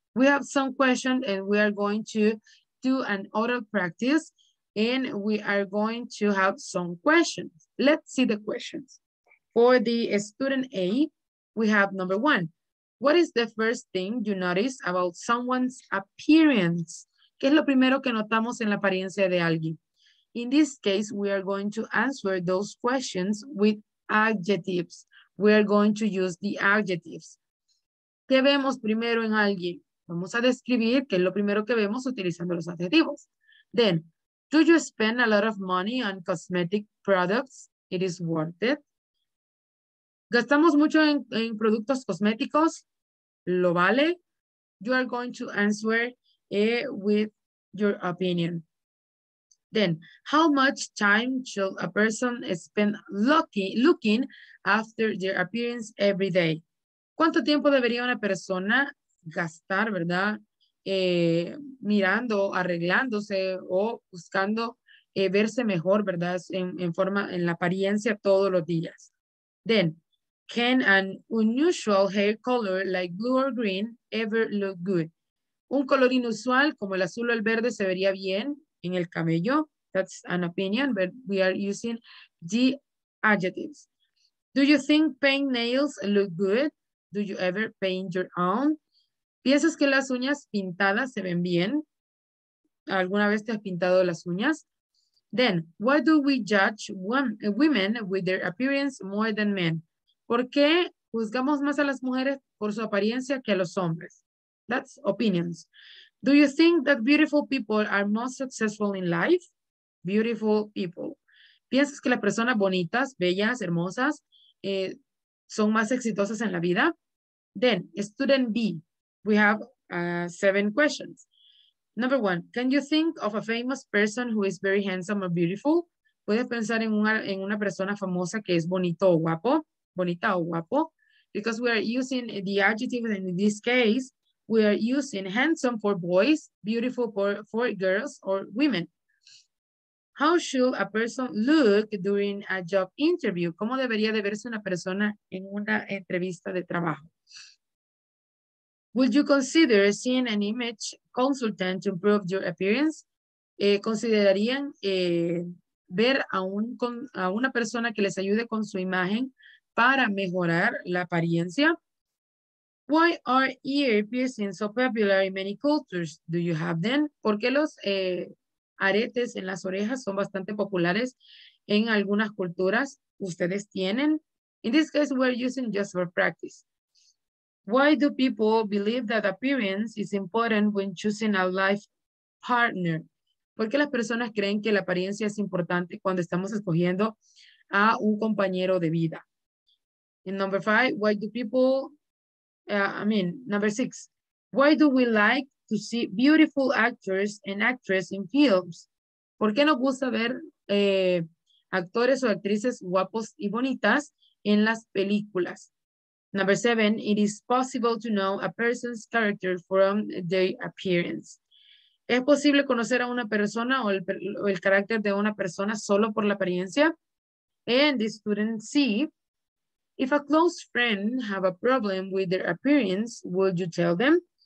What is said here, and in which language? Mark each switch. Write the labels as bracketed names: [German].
[English] We have some questions and we are going to do an oral practice and we are going to have some questions. Let's see the questions. For the student A, we have number one. What is the first thing you notice about someone's appearance? [Spanish] ¿Qué es lo primero que notamos en la apariencia de alguien? [English] In this case, we are going to answer those questions with adjectives. We are going to use the adjectives. [Spanish] ¿Qué vemos primero en alguien? Vamos a describir qué es lo primero que vemos utilizando los adjetivos. [English] Then, do you spend a lot of money on cosmetic products? It is worth it. [Spanish] ¿Gastamos mucho en productos cosméticos? ¿Lo vale? [English] You are going to answer it with your opinion. Then, how much time should a person spend looking after their appearance every day? [Spanish] ¿Cuánto tiempo debería una persona gastar, verdad? Mirando, arreglándose o buscando verse mejor, verdad? En forma, en la apariencia todos los días. [English] Then, can an unusual hair color like blue or green ever look good? [Spanish] ¿Un color inusual como el azul o el verde se vería bien en el cabello? [English] That's an opinion, but we are using the adjectives. Do you think paint nails look good? Do you ever paint your own? [Spanish] ¿Piensas que las uñas pintadas se ven bien? ¿Alguna vez te has pintado las uñas? [English] Then, why do we judge women with their appearance more than men? [Spanish] ¿Por qué juzgamos más a las mujeres por su apariencia que a los hombres? [English] That's opinions. Do you think that beautiful people are most successful in life? Beautiful people. [Spanish] ¿Piensas que las personas bonitas, bellas, hermosas, son más exitosas en la vida? [English] Then, student B, we have 7 questions. Number 1, can you think of a famous person who is very handsome or beautiful? [Spanish] ¿Puedes pensar en una persona famosa que es bonito o guapo? Bonita o guapo? [English] Because we are using the adjective in this case, we are using handsome for boys, beautiful for girls or women. How should a person look during a job interview? [Spanish] ¿Cómo debería de verse una persona en una entrevista de trabajo? [English] Would you consider seeing an image consultant to improve your appearance? [Spanish] ¿Considerarían ver a una persona que les ayude con su imagen para mejorar la apariencia? [English] Why are ear piercings so popular in many cultures? Do you have them? [Spanish] ¿Por qué los aretes en las orejas son bastante populares en algunas culturas? ¿Ustedes tienen? [English] In this case, we're using just for practice. Why do people believe that appearance is important when choosing a life partner? [Spanish] ¿Por qué las personas creen que la apariencia es importante cuando estamos escogiendo a un compañero de vida? [English] And number 5, why do people, number 6, why do we like to see beautiful actors and actresses in films? [Spanish] ¿Por qué nos gusta ver actores o actrices guapos y bonitas en las películas? [English] Number 7, it is possible to know a person's character from their appearance. [Spanish] ¿Es posible conocer a una persona o el carácter de una persona solo por la apariencia? [English] And the student C, if a close friend have a problem with their appearance, would you tell them?